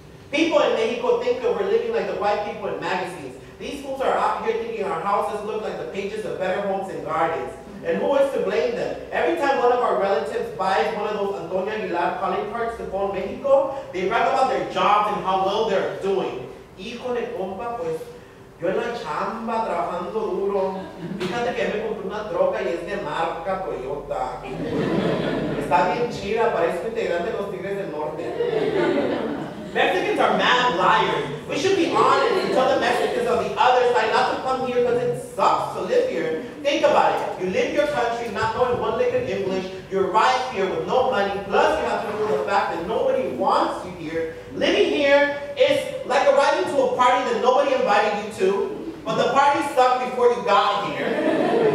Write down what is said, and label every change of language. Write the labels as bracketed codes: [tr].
[en] People in Mexico think that we're living like the white people in magazines. These fools are out here thinking our houses look like the pages of Better Homes and Gardens. And who is to blame them? Every time one of our relatives buys one of those Antonia Aguilar calling cards to phone Mexico, they brag about their jobs and how well they're doing. [es] Híjole, compa, pues, yo en la chamba trabajando duro. Fíjate que me compré una troca y es de marca Toyota. Está bien chida, parezco integrante de los Tigres del Norte. [en] Mexicans are mad liars. We should be honest and tell the Mexicans on the other side not to come here because it sucks to live here. Think about it. You live your country not knowing one lick of English. You're right here with no money. Plus, you have to remember the fact that nobody wants you here. Living here is like arriving to a party that nobody invited you to, but the party sucked before you got here.